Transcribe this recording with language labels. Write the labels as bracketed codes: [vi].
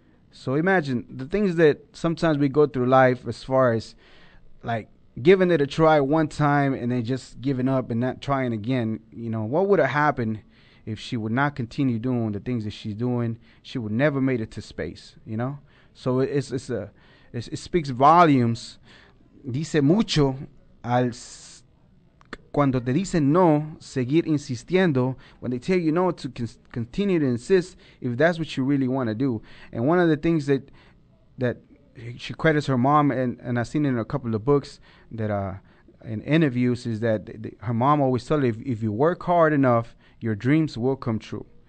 [en] So imagine the things that sometimes we go through life as far as like giving it a try one time and then just giving up and not trying again. You know, what would have happened if she would not continue doing the things that she's doing? She would never made it to space, you know? So it speaks volumes. [es] Dice mucho al cuando te dicen no, seguir insistiendo. [en] When they tell you no, to continue to insist if that's what you really want to do. And one of the things that she credits her mom, and I've seen it in a couple of books that in interviews, is that her mom always told her, if you work hard enough, your dreams will come true.